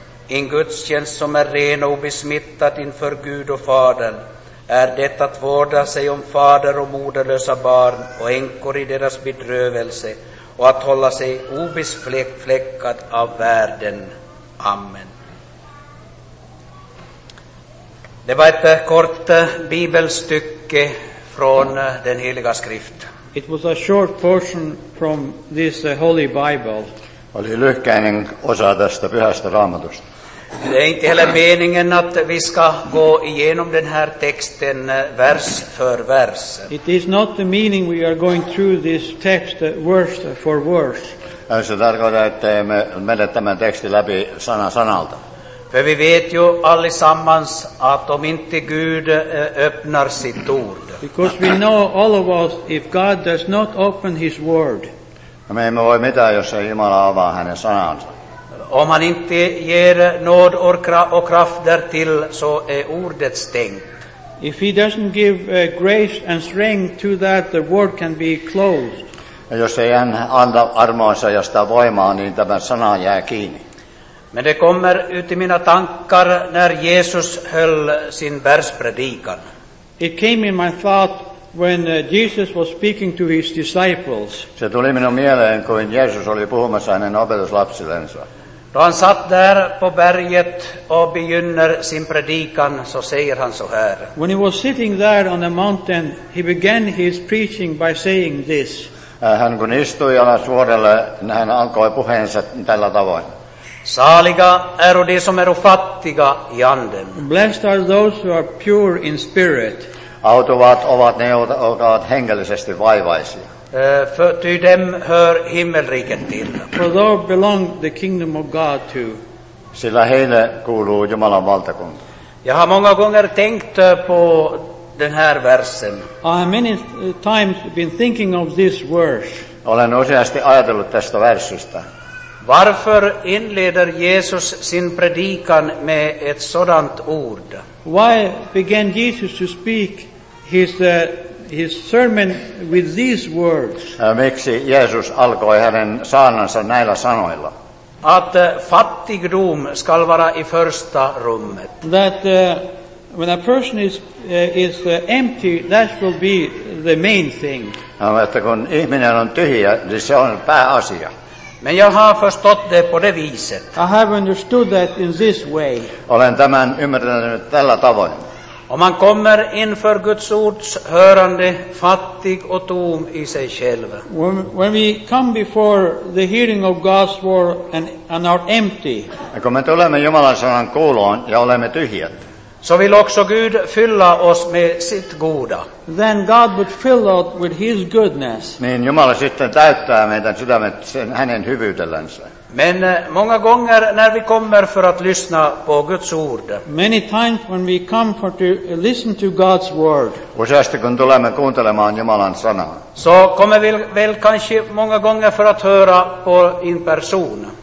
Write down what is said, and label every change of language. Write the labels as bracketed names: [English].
[Swedish] En gudstjänst som är ren och besmittad inför Gud och Fadern är detta att vårda sig om fader och moderlösa barn och änkor i deras bedrövelse och att hålla sig obesfläckad av världen. Amen. Det var ett kort bibelstycke från den heliga skrift. [English] It was a short portion from this holy Bible. [Finnish] Oli lyhkäinen osa tästä pyhästä Raamatusta. [Swedish] Det är inte heller meningen att vi ska gå igenom den här texten vers för vers. [English] It is not the meaning we are going through this text verse for verse. [Finnish] Se tarkoittaa, että me menet tämän tekstin läpi sana sanalta. [Swedish] För vi vet ju allesammans att om inte Gud öppnar sitt ord. [English] Because we know all of us if God does not open his word. [Finnish] Me emme voi mitään, jos ei Jumala avaa hänen sanansa. [Swedish] Om han inte ger nåd och kraft därtill, så är ordet stängt. [English] If he doesn't give grace and strength to that, the word can be closed. [Finnish] Jos ei hän anna armoansa ja sitä voimaa, niin tämä sana jää kiinni. [Swedish] Men det kommer ut i mina tankar när Jesus höll sin bergspredikan. [English] It came in my thought when Jesus was speaking to his disciples. [Finnish] Se tuli minun mieleen, kun Jeesus oli puhumassa hänen opetuslapsillensa. [Swedish] Då han satt där på berget och begynner sin predikan, så säger han så här. [English] When he was sitting there on the mountain, he began his preaching by saying this. [Finnish] Hän kun istui alas vuorelle, hän alkoi puheensa tällä tavoin. [Swedish] Saliga äro de som äro fattiga i anden. [English] Blessed are those who are pure in spirit. [Finnish] Autuvat ovat ne, jotka ovat hengellisesti vaivaisia. [Swedish] För ty dem hör himmelriket till. [English] For thou belong the kingdom of God to. [Finnish] Sillä heille kuuluu Jumalan valtakunta. [Swedish] Jag har många gånger tänkt på den här versen. [English] I have many times been thinking of this verse. [Finnish] Olen useasti ajatellut tästä versusta. [Swedish] Varför inleder Jesus sin predikan med ett sådant ord? [English] Why began Jesus to speak his sermon with these words? [Finnish] Miksi Jeesus alkoi hänen saarnansa näillä sanoilla? [Swedish] Att fattigdom skall vara i första rummet. [English] That when a person is empty, that will be the main thing. [Finnish] Että kun ihminen on tyhjä, niin se on pääasia. [Swedish] Men jag har förstått det på det viset. [English] I have understood that in this way. [Finnish] Olen tämän ymmärtänyt tällä tavoin. [Swedish] Om man kommer inför Guds ords hörande fattig och tom i sig själv. [English] When we come before the hearing of God's word and are empty. [Finnish] Kun me tulemme Jumalan sanan kuuloon ja olemme tyhjät. [Swedish] Så vill också Gud fylla oss med sitt goda. [English] Then God would fill us with his goodness. [Finnish] Niin Jumala sitten täyttää meidän sydämet sen hänen hyvyytellänsä. [Swedish] Men många gånger när vi kommer för att lyssna på Guds ord. [English] Many times when we come for to listen to God's word. [Finnish] Useasti kun tulemme kuuntelemaan Jumalan sanaa. [Swedish] Så kommer vi väl kanske många gånger för att höra på en person.